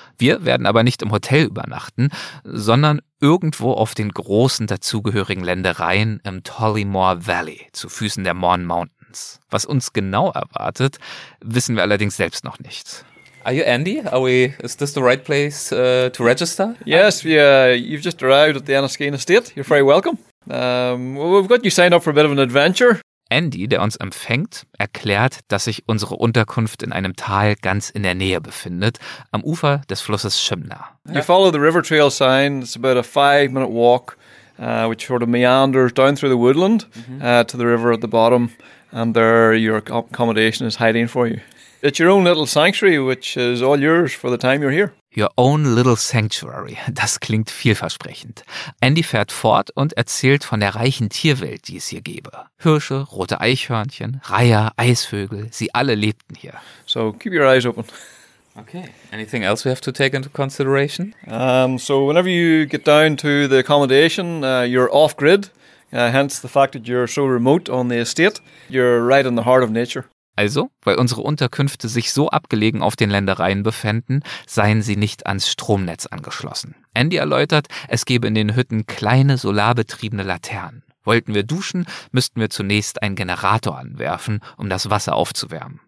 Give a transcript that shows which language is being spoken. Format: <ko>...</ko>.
<de>Wir werden aber nicht im Hotel übernachten, sondern irgendwo auf den großen dazugehörigen Ländereien im Tollymoore Valley, zu Füßen der Mourne Mountains. Was uns genau erwartet, wissen wir allerdings selbst noch nicht.</de> <en>Are you Andy? Are we? Is this the right place to register? Yes, you've just arrived at the Enniskeen Estate. You're very welcome. We've got you signed up for a bit of an adventure.</en> <de>Andy, der uns empfängt, erklärt, dass sich unsere Unterkunft in einem Tal ganz in der Nähe befindet, am Ufer des Flusses Shimna.</de> <en>You follow the river trail sign. It's about a 5-minute walk, which sort of meanders down through the woodland to the river at the bottom. And there your accommodation is hiding for you. It's your own little sanctuary, which is all yours for the time you're here. Your own little sanctuary.</en> <de>Das klingt vielversprechend. Andy fährt fort und erzählt von der reichen Tierwelt, die es hier gäbe. Hirsche, rote Eichhörnchen, Reiher, Eisvögel, sie alle lebten hier.</de> <en>So keep your eyes open. Okay. Anything else we have to take into consideration? So whenever you get down to the accommodation, you're off-grid. Hence the fact that you're so remote on the estate. You're right in the heart of nature.</en> <de>Also, weil unsere Unterkünfte sich so abgelegen auf den Ländereien befänden, seien sie nicht ans Stromnetz angeschlossen. Andy erläutert, es gäbe in den Hütten kleine solarbetriebene Laternen. Wollten wir duschen, müssten wir zunächst einen Generator anwerfen, um das Wasser aufzuwärmen.</de>